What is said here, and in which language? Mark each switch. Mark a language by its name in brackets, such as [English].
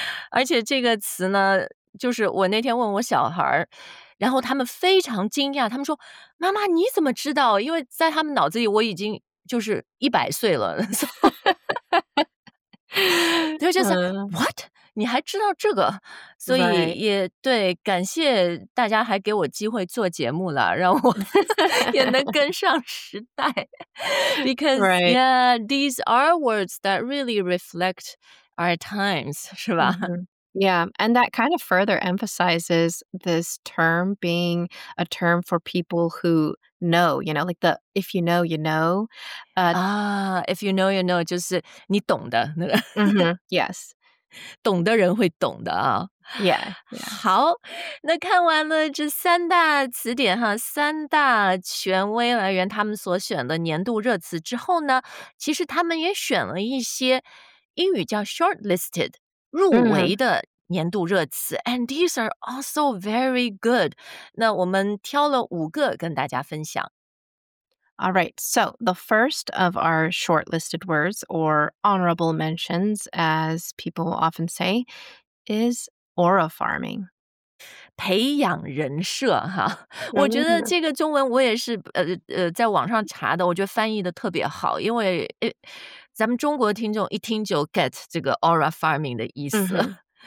[Chinese] 而且这个词呢，就是我那天问我小孩，然后他们非常惊讶，他们说妈妈你怎么知道，因为在他们脑子里我已经就是100岁了。 [English] They're just like, what? [Chinese] 你还知道这个，所以也、 [English] right. [Chinese] 对，感谢大家还给我机会做节目了，让我也能跟上时代。 [English] Because、 right. yeah, these are words that really reflect our times, [Chinese] 是吧、 [English] mm-hmm. Yeah, and that kind of further emphasizes this term being a term for people who know, you know, like the, if you know, you know. If you know, you know, [Chinese] 就是你懂的。 [English] mm-hmm. Yes. [Chinese] 懂的人会懂的啊 [English] yeah, yeah. [Chinese] 好，那看完了这三大词典哈，三大权威来源他们所选的年度热词之后呢，其实他们也选了一些英语叫 shortlisted 入围的年度热词、mm-hmm. [English] and these are also very good. [Chinese] 那我们挑了五个跟大家分享。 [English] All right, so the first of our shortlisted words, or honorable mentions, as people often say, is aura farming. [Chinese] 培养人设哈，我觉得这个中文我也是在网上查的，我觉得翻译的特别好，因为咱们中国听众一听就 get 这个 aura farming 的意思。Mm-hmm.